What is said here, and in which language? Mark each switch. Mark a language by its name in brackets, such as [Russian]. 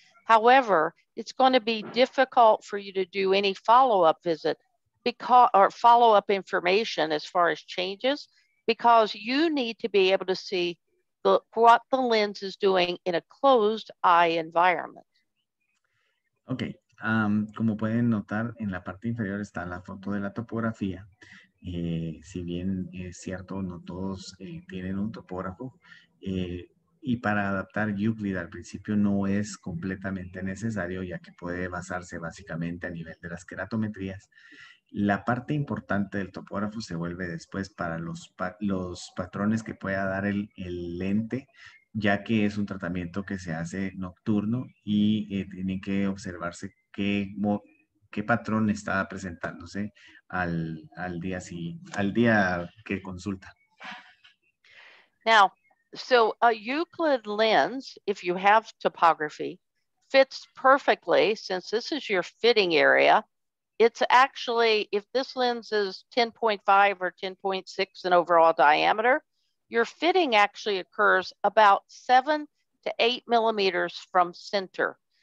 [English] However, it's going to be difficult for you to do any follow-up visit because, or follow-up information as far as changes, because you need to be able to see what the lens is doing in a closed eye environment. [Spanish] Okay, como pueden notar, en la parte inferior está la foto de la topografía. Si bien es cierto, no todos tienen un topógrafo, y para adaptar Euclid al principio no es completamente necesario, ya que puede basarse básicamente a nivel de las queratometrías. La parte importante del topógrafo se vuelve después para los patrones que pueda dar el lente, ya que es un tratamiento que se hace nocturno y tienen que observarse qué patrón está presentándose al día que consulta. [English] Now, so a Euclid lens, if you have topography, fits perfectly since this is your fitting area. It's actually, if this lens is 10.5 or 10.6 in overall diameter, your fitting actually occurs about 7 to 8 millimeters from center.